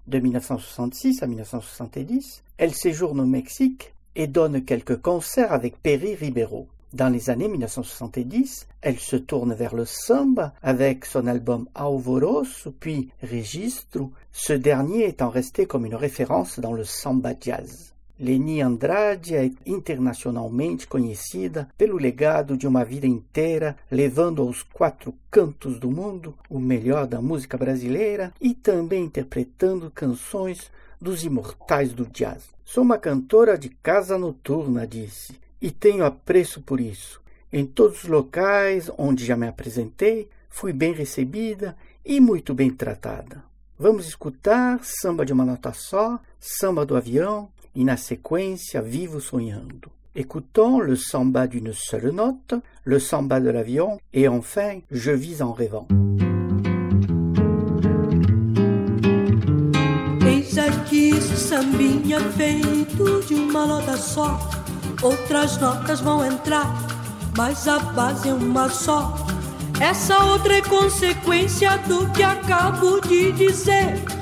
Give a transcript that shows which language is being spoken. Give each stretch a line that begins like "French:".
French: De 1966 à 1970, elle séjourne au Mexique et donne quelques concerts avec Perry Ribeiro. Dans les années 1970, elle se tourne vers le samba avec son album Alvoroço, puis Registro, ce dernier étant resté comme une référence dans le samba jazz.
Portuguese: Leni Andrade
French: est internationalement
Portuguese: conhecida pelo legado de uma vida inteira, levando aos quatro cantos do mundo o melhor da música brasileira e também interpretando canções dos imortais do jazz. Sou uma cantora de casa noturna, disse, e tenho apreço por isso. Em todos os locais onde já me apresentei, fui bem recebida e muito bem tratada. Vamos escutar Samba de uma Nota Só, Samba do Avião e, na sequência, Vivo Sonhando.
French: Écoutons le samba d'une seule note, le samba de l'avion et enfin Je vis en rêvant.
Portuguese: Que esse sambinha feito de uma nota só, outras notas vão entrar, mas a base é uma só. Essa outra é consequência do que acabo de dizer.